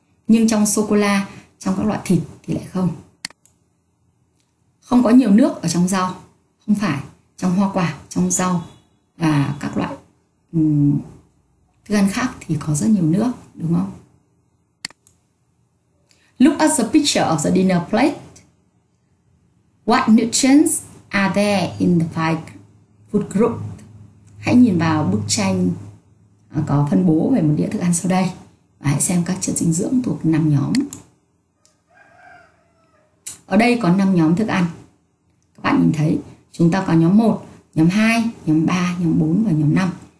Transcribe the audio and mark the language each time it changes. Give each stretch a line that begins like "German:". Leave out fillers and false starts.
Vietnamese: Nhưng trong sô-cô-la, trong các loại thịt thì lại không. Không có nhiều nước ở trong rau, không phải. Trong hoa quả, trong rau và các loại thức ăn khác thì có rất nhiều nước, đúng không?
English: Look at the picture of the dinner plate. What nutrients are there in the five food group?
Vietnamese: Hãy nhìn vào bức tranh có phân bố về một đĩa thức ăn sau đây và hãy xem các chất dinh dưỡng thuộc 5 nhóm. Ở đây có 5 nhóm thức ăn. Các bạn nhìn thấy, chúng ta có nhóm 1, nhóm 2, nhóm 3, nhóm 4 và nhóm 5.